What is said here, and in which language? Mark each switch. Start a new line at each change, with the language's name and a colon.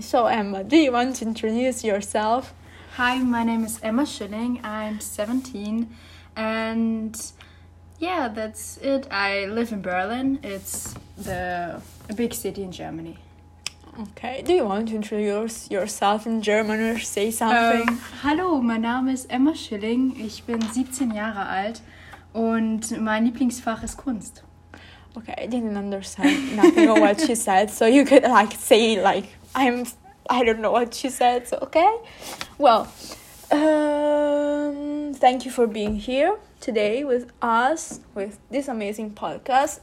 English: So Emma, do you want to introduce yourself? Hi, my name is Emma Schilling, I'm 17 and yeah, that's it. I live in Berlin, it's a big city in Germany. Okay, do you want to introduce yourself in German or say something?
German: Hallo, mein Name ist Emma Schilling, ich bin 17 Jahre alt und mein Lieblingsfach ist Kunst.
English: Okay, I didn't understand nothing of what she said, so you could like say like I don't know what she said, so okay. Well, thank you for being here today with us with this amazing podcast.